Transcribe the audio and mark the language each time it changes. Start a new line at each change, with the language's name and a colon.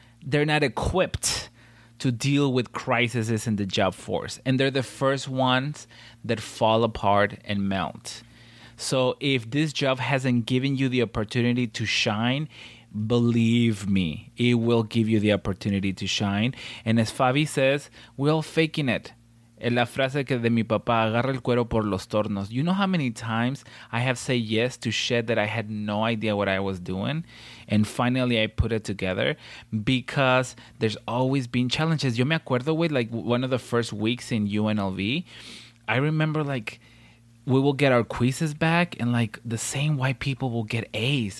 English: They're not equipped to deal with crises in the job force. And they're the first ones that fall apart and melt. So if this job hasn't given you the opportunity to shine, believe me, it will give you the opportunity to shine. And as Fabi says, we're all faking it.
Spanish: En la frase que de mi papá, agarra el cuero por los tornos.
English: You know how many times I have said yes to shit that I had no idea what I was doing? And finally, I put it together because there's always been challenges.
Spanish: Yo me acuerdo,
English: with like one of the first weeks in UNLV, I remember like we will get our quizzes back and like the same white people will get A's.